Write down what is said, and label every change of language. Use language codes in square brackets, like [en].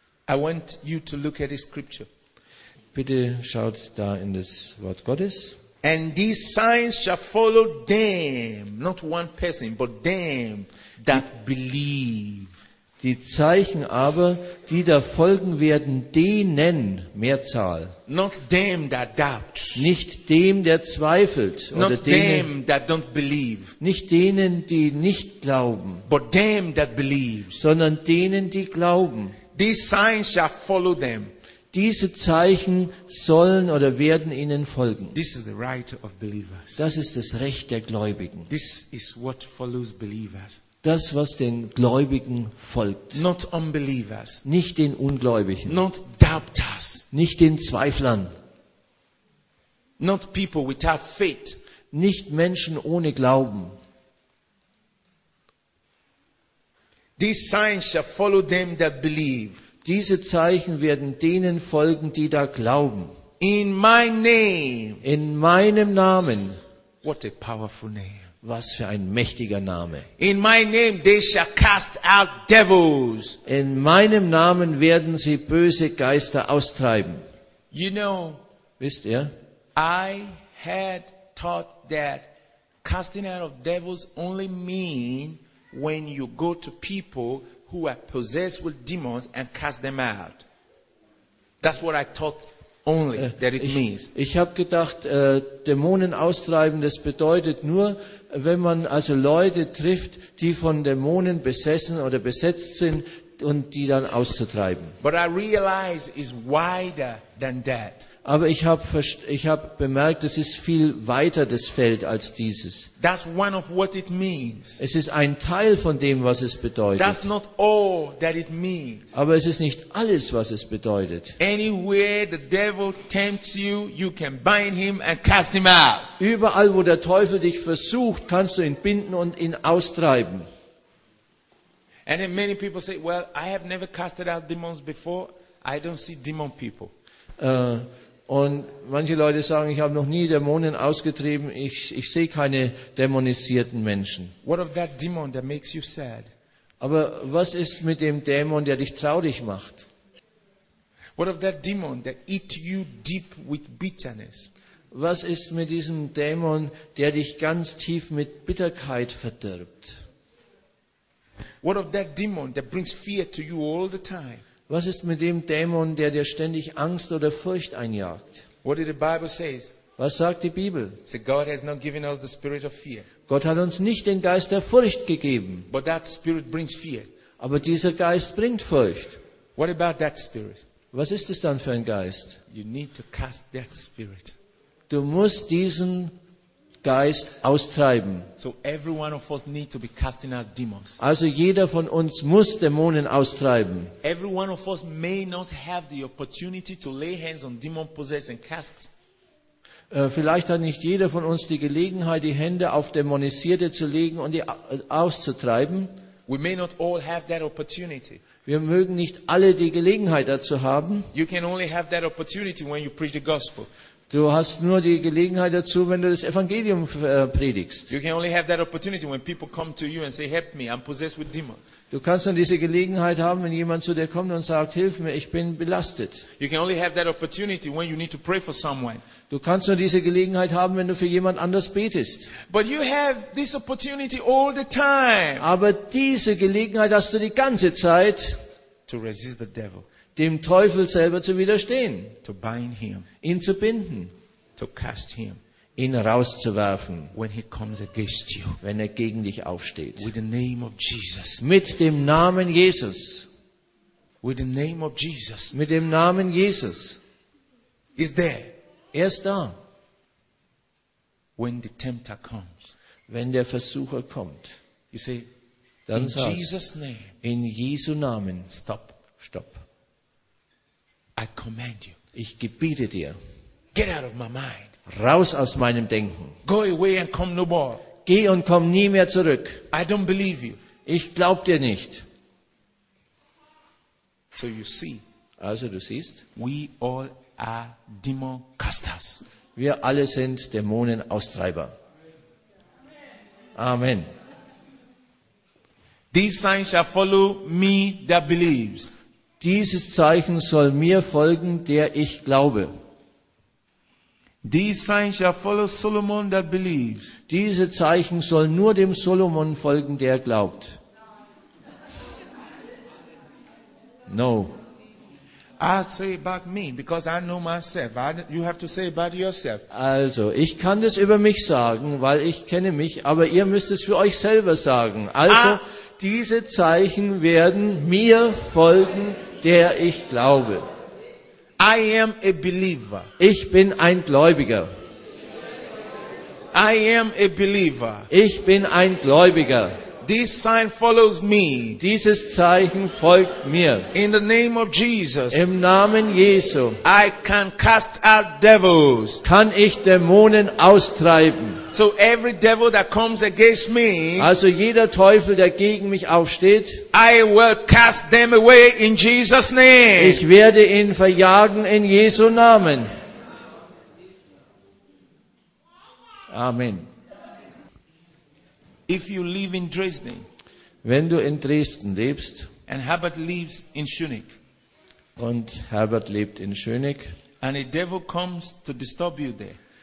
[en] I want you to look at the scripture. [de] Bitte schaut da in das Wort Gottes. [en] And these signs shall follow them, not one person, but them that believe. [de] Die Zeichen aber, die da folgen werden, denen, Mehrzahl. [en] Not them that doubt. [de] Nicht dem, der zweifelt. [en] Not [de] oder denen, [en] them that don't believe. [de] Nicht denen, die nicht glauben. [en] But them that believe. [de] Sondern denen, die glauben. [en] These signs shall follow them. [de] Diese Zeichen sollen oder werden ihnen folgen. [en] This is the right of believers. [de] Das ist das Recht der Gläubigen. [en] This is what follows believers. [de] Das, was den Gläubigen folgt. [en] Not unbelievers. [de] Nicht den Ungläubigen. [en] Not doubters. [de] Nicht den Zweiflern. [en] Not people without faith. [de] Nicht Menschen ohne Glauben. [en] These signs shall follow them that believe. [de] Diese Zeichen werden denen folgen, die da glauben. [en] In my name. [de] In meinem Namen. [en] What a powerful name. [de] Was für ein mächtiger Name. [en] In my name they shall cast out devils. [de] In meinem Namen werden sie böse Geister austreiben. [en] You know, [de] wisst ihr? [en] I had thought that casting out of devils only mean when you go to people who are possessed with demons and cast them out. That's what I thought. Only that it means. [de] Ich habe gedacht, Dämonen austreiben, das bedeutet nur, wenn man also Leute trifft, die von Dämonen besessen oder besetzt sind und die dann auszutreiben. [en] But I realize it's wider than that. [de] Aber ich habe bemerkt, es ist viel weiter das Feld als dieses. [en] That's one of what it means. [de] Es ist ein Teil von dem, was es bedeutet. [en] That's not all that it means. [de] Aber es ist nicht alles, was es bedeutet. [en] Anywhere the devil tempts you, you can bind him and cast him out. [de] Überall, wo der Teufel dich versucht, kannst du ihn binden und ihn austreiben. [en] And then many people say, well, I have never casted out demons before. I don't see demon people. [de] Und manche Leute sagen, ich habe noch nie Dämonen ausgetrieben, ich sehe keine dämonisierten Menschen. [en] What of that demon that makes you sad? [de] Aber was ist mit dem Dämon, der dich traurig macht? [en] What of that demon that eat you deep with bitterness? [de] Was ist mit diesem Dämon, der dich ganz tief mit Bitterkeit verdirbt? [en] What of that demon that brings fear to you all the time? [de] Was ist mit dem Dämon, der dir ständig Angst oder Furcht einjagt? [en] What did the Bible say? [de] Was sagt die Bibel? [en] So God has not given us the spirit of fear. [de] Gott hat uns nicht den Geist der Furcht gegeben. [en] But that spirit brings fear. [de] Aber dieser Geist bringt Furcht. [en] What about that spirit? [de] Was ist es dann für ein Geist? [en] You need to cast that spirit. [de] Du musst diesen Geist austreiben. [en] So every one of us need to be casting out demons. [de] Also jeder von uns muss Dämonen austreiben. [en] Every one of us may not have the opportunity to lay hands on demon possessed and cast. [de] Vielleicht hat nicht jeder von uns die Gelegenheit, die Hände auf Dämonisierte zu legen und die auszutreiben. [en] We may not all have that opportunity. [de] Wir mögen nicht alle die Gelegenheit dazu haben. [en] You can only have that opportunity when you preach the gospel. [de] Du hast nur die Gelegenheit dazu, wenn du das Evangelium predigst. [en] You can only have that opportunity when people come to you and say, "Help me, I'm possessed with demons." [de] Du kannst nur diese Gelegenheit haben, wenn jemand zu dir kommt und sagt, "Hilf mir, ich bin belastet." [en] You can only have that opportunity when you need to pray for someone. [de] Du kannst nur diese Gelegenheit haben, wenn du für jemand anders betest. [en] But you have this opportunity all the time. [de] Aber diese Gelegenheit hast du die ganze Zeit. [en] To resist the devil. [de] Dem Teufel selber zu widerstehen, [en] to bind him, [de] ihn zu binden, [en] to cast him, [de] ihn rauszuwerfen, [en] when he comes against you, [de] wenn er gegen dich aufsteht, [en] with the name of Jesus, [de] mit dem Namen Jesus, [en] with the name of Jesus, [de] mit dem Namen Jesus, [en] is there, [de] er ist da. [en] when the tempter comes. [de] Wenn der Versucher kommt. [en] You see, [de] dann [en] in [de] sagt, [en] Jesus name, [de] in Jesu Namen, [en] stop, stop. I command you. [de] Ich gebiete dir. [en] Get out of my mind. [de] Raus aus meinem Denken. [en] Go away and come no more. [de] Geh und komm nie mehr zurück. [en] I don't believe you. [de] Ich glaub dir nicht. [en] So you see. [de] Also du siehst, [en] we all are demon casters. [de] Wir alle sind Dämonenaustreiber. [en] Amen. These signs shall follow me that believes. [de] Dieses Zeichen soll mir folgen, der ich glaube. [en] These signs shall follow Solomon that believes. [de] Diese Zeichen soll nur dem Solomon folgen, der glaubt. [en] No. I say about me because I know myself. You have to say about yourself. [de] Also, ich kann das über mich sagen, weil ich kenne mich, aber ihr müsst es für euch selber sagen. Also, diese Zeichen werden mir folgen, der ich glaube. [en] I am a believer. [de] Ich bin ein Gläubiger. [en] I am a believer. [de] Ich bin ein Gläubiger. [en] This sign follows me. [de] Dieses Zeichen folgt mir. [en] In the name of Jesus. [de] Im Namen Jesu. [en] I can cast out devils. [de] Kann ich Dämonen austreiben. [en] So every devil that comes against me. [de] Also jeder Teufel, der gegen mich aufsteht. [en] I will cast them away in Jesus name. [de] Ich werde ihn verjagen in Jesu Namen. [en] Amen. If you live in Dresden, [de] wenn du in Dresden lebst, [en] and Herbert lives in Schönig, [de] und Herbert lebt in Schönig, [en] and a devil comes to disturb you there,